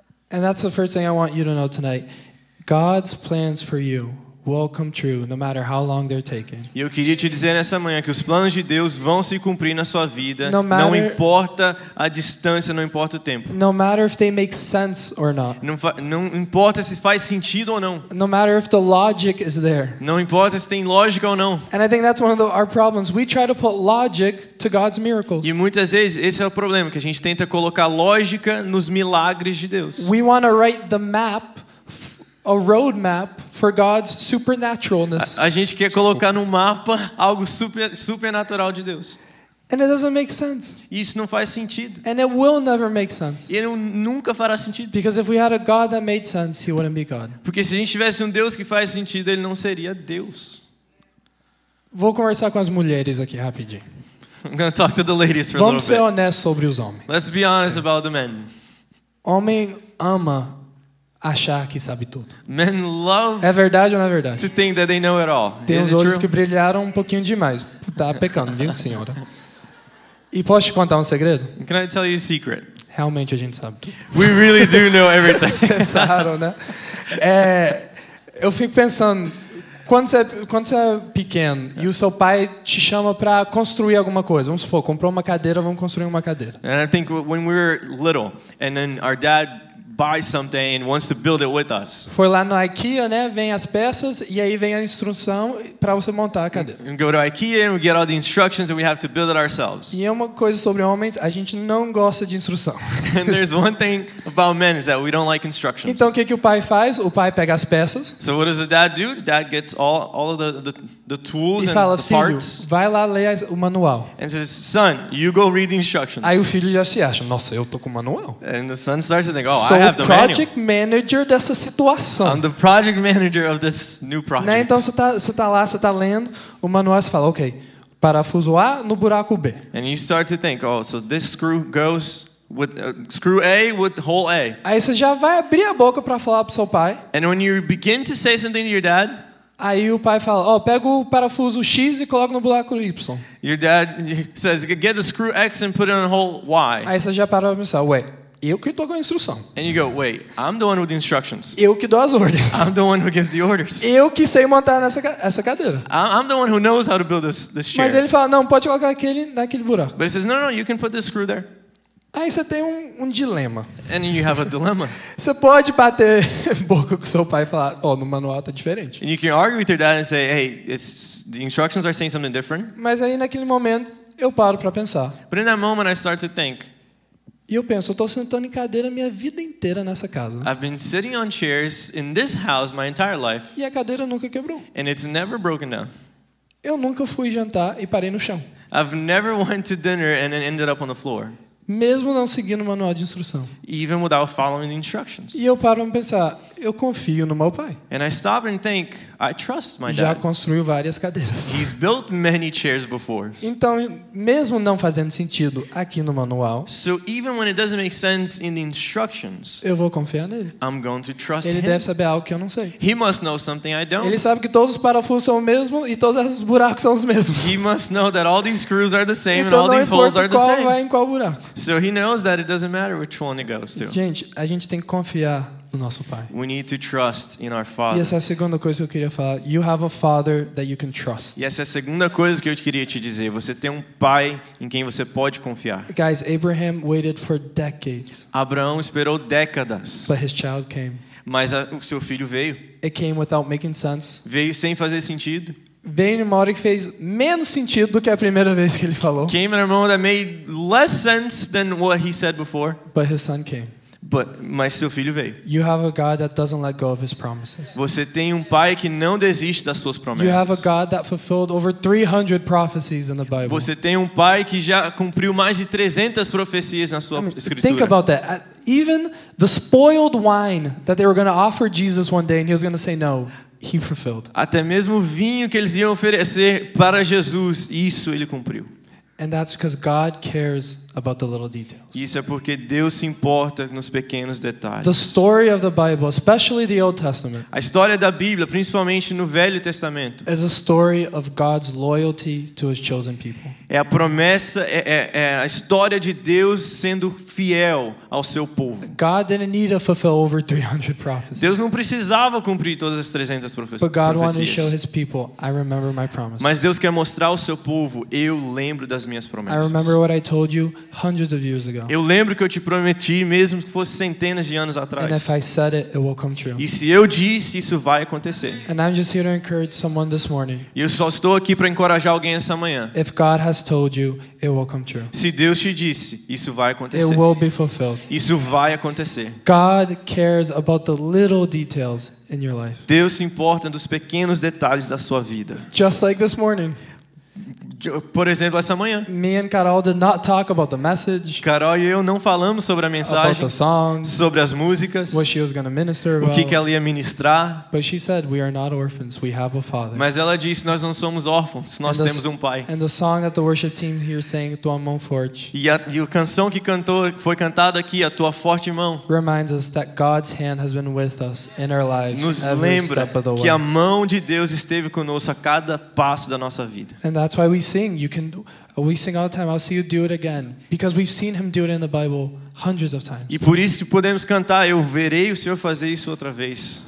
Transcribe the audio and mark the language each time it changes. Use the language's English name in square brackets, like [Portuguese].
[English] And that's the first thing I want you to know tonight. God's plans for you will come true, no matter how long they're taking. [Portuguese] E eu queria te dizer nessa manhã que os planos de Deus vão se cumprir na sua vida. [English] No matter, [Portuguese] não importa a distância, não importa o tempo. [English] No matter if they make sense or not. [Portuguese] Não importa se faz sentido ou não. [English] No matter if the logic is there. [Portuguese] Não importa se tem lógica ou não. [English] And I think that's one of our problems. We try to put logic to God's miracles. [Portuguese] E muitas vezes esse é o problema, que a gente tenta colocar lógica nos milagres de Deus. [English] We want to write the map. A roadmap for God's supernaturalness. [Portuguese] A gente quer colocar no mapa algo supernatural de Deus. [English] And it doesn't make sense. [Portuguese] Isso não faz sentido. [English] And it will never make sense. [Portuguese] E não, nunca fará sentido. [English] Because if we had a God that made sense, he wouldn't be God. [Portuguese] Porque se a gente tivesse Deus que faz sentido, ele não seria Deus. Vou conversar com as mulheres aqui rapidinho. [English] I'm going to talk to the ladies for [Portuguese] Vamos [English] a little bit. [Portuguese] Vamos ser honestos sobre os homens. [English] Let's be honest about the men. [Portuguese] Homem ama achar que sabe tudo. [English] Men love. [Portuguese] É verdade ou não é verdade? [English] To think that they know it all. [Portuguese] Tem uns olhos que brilharam um pouquinho demais. Tá pecando, viu, senhora? E posso te contar segredo? [English] Can I tell you a secret? [Portuguese] Realmente a gente sabe tudo. [English] We really do know everything. [Portuguese] Pensaram, né? Eu fico pensando, quando você é pequeno e o seu pai te chama para construir alguma coisa, vamos supor, comprou uma cadeira, vamos construir uma cadeira. [English] And I think when we were little and then our dad buy something and wants to build it with us. [Portuguese] Foi lá no IKEA, né? Vem as peças e aí vem a instrução para você montar a cadeira. [English] We go to IKEA and we get all the instructions and we have to build it ourselves. [Portuguese] E uma coisa sobre homens, a gente não gosta de instrução. [English] And there's one thing about men is that we don't like instructions. [Portuguese] Então que o pai faz? O pai pega as peças. [English] So what does the dad do? The dad gets all of the tools [Portuguese] e fala, [English] and the [Portuguese] filho, [English] parts. [Portuguese] Vai lá ler o manual. [English] And says, son, you go read the instructions. [Portuguese] Aí o filho já se acha, nossa, eu tô com o manual. [English] And the son starts to think, oh, so I have the project manual. [Portuguese] Manager dessa situação. [English] I'm the project manager of this new project. [Portuguese] Né? Então você tá lá, você tá lendo o manual, você fala, ok, parafuso A no buraco B. [English] And you start to think, oh, so this screw goes with screw A with hole A. [Portuguese] Aí você já vai abrir a boca para falar pro seu pai. [English] And when you begin to say something to your dad, [Portuguese] aí o pai fala, ó, pega o parafuso X e coloca no buraco Y. [English] Your dad says, get the screw X and put it on hole Y. [Portuguese] Aí você já para pra pensar, ué, eu que tô com a instrução. [English] And you go, wait, I'm the one with the instructions. [Portuguese] Eu que dou as ordens. [English] I'm the one who gives the orders. [Portuguese] Eu que sei montar essa cadeira. [English] I'm the one who knows how to build this chair. [Portuguese] Mas ele fala, não, pode colocar aquele naquele buraco. [English] But he says, no, you can put this screw there. [Portuguese] Aí você tem um dilema. [English] And you have a dilemma. [Portuguese] Você pode bater boca com seu pai e falar, ó, no manual tá diferente. [English] And you can argue with your dad and say, hey, the instructions are saying something different. [Portuguese] Mas aí naquele momento eu paro para pensar. [English] But in that moment I start to think. [Portuguese] E eu penso, eu tô sentando em cadeira minha vida inteira nessa casa. [English] I've been sitting on chairs in this house my entire life. [Portuguese] E a cadeira nunca quebrou. [English] And it's never broken down. [Portuguese] Eu nunca fui jantar e parei no chão. [English] I've never went to dinner and then ended up on the floor. [Portuguese] Mesmo não seguindo o manual de instrução. [English] Even without following the instructions. [Portuguese] E eu paro para pensar, eu confio no meu pai. [English] And I stop and think, I trust my [Portuguese] Já [English] dad. [Portuguese] Já construiu várias cadeiras. [English] He's built many chairs before. [Portuguese] Então, mesmo não fazendo sentido aqui no manual, [English] so even when it doesn't make sense in the instructions, [Portuguese] eu vou confiar nele. [English] I'm going to trust [Portuguese] ele [English] him. [Portuguese] Ele deve saber algo que eu não sei. [English] He must know something I don't. [Portuguese] Ele sabe que todos os parafusos são os mesmos e todos os buracos são os mesmos. [English] He must know that all these screws are the same [Portuguese] então, [English] and all these holes are the same. [Portuguese] Qual vai em qual buraco? [English] So he knows that it doesn't matter which one it goes to. [Portuguese] Gente, a gente tem que confiar no nosso pai. [English] We need to trust in our father. [Portuguese] E essa é a segunda coisa que eu queria falar. [English] You have a father that you can trust. [Portuguese] E essa é a segunda coisa que eu queria te dizer. Você tem um pai em quem você pode confiar. [English] Guys, Abraham waited for decades. [Portuguese] Abraão esperou décadas. [English] But his child came. [Portuguese] Mas o seu filho veio. [English] It came without making sense. [Portuguese] Veio sem fazer sentido. Veio numa hora que fez menos sentido do que a primeira vez que ele falou. [English] Came in a moment that made less sense than what he said before. But his son came. But [Portuguese] mas seu filho veio. [English] You have a God that doesn't let go of his promises. [Portuguese] Você tem pai que não desiste das suas promessas. [English] You have a God that fulfilled over 300 prophecies in the Bible. [Portuguese] Você tem pai que já cumpriu mais de 300 profecias na sua escritura. [English] Think about that. Even the spoiled wine that they were going to offer Jesus one day and he was going to say no. He fulfilled. [Portuguese] Até mesmo o vinho que eles iam oferecer para Jesus, isso ele cumpriu. [English] And that's because God cares about the little details. [Portuguese] Isso é porque Deus se importa nos pequenos detalhes. [English] The story of the Bible, especially the Old Testament. [Portuguese] A história da Bíblia, principalmente no Velho Testamento. [English] Is a story of God's loyalty to his chosen people. [Portuguese] É a promessa, é a história de Deus sendo fiel ao seu povo. [English] God didn't need to fulfill over 300 prophecies. [Portuguese] Deus não precisava cumprir todas as 300 profecias. [English] But God wanted to show his people, I remember my promises. [Portuguese] Mas Deus quer mostrar ao seu povo, eu lembro das minhas promessas. [English] I remember what I told you hundreds of years ago. [Portuguese] Eu lembro que eu te prometi mesmo que fosse centenas de anos atrás. [English] And if I said it, it will come true. [Portuguese] E se eu disse, isso vai acontecer. [English] And I'm just here to encourage someone this morning. [Portuguese] E eu só estou aqui para encorajar alguém essa manhã. [English] If God has told you, it will come true. [Portuguese] Se Deus te disse, isso vai acontecer. [English] It will be fulfilled. [Portuguese] Isso vai acontecer. [English] God cares about the little details in your life. [Portuguese] Deus se importa dos pequenos detalhes da sua vida. [English] Just like this morning. [Portuguese] Por exemplo, essa manhã. [English] Me and Carol did not talk about the message. [Portuguese] Carol e eu não falamos sobre a mensagem. [English] About the songs. [Portuguese] Sobre as músicas. [English] What she was going to minister about. [Portuguese] O que ela ia ministrar. [English] But she said, "We are not orphans. We have a father." [Portuguese] Mas ela disse, "Nós não somos órfãos. Nós temos um pai." [English] And the song that the worship team here sang, [Portuguese] "Tua mão forte." E a canção que cantou foi cantada aqui, "A tua forte mão." [English] Reminds us that God's hand has been with us in our lives. [Portuguese] Nos lembra que a mão de Deus esteve conosco a cada passo da nossa vida. [English] And that's why we sing. We sing all the time. I'll see you do it again, because we've seen him do it in the Bible hundreds of times. [Portuguese] E por isso que podemos cantar, eu verei o Senhor fazer isso outra vez.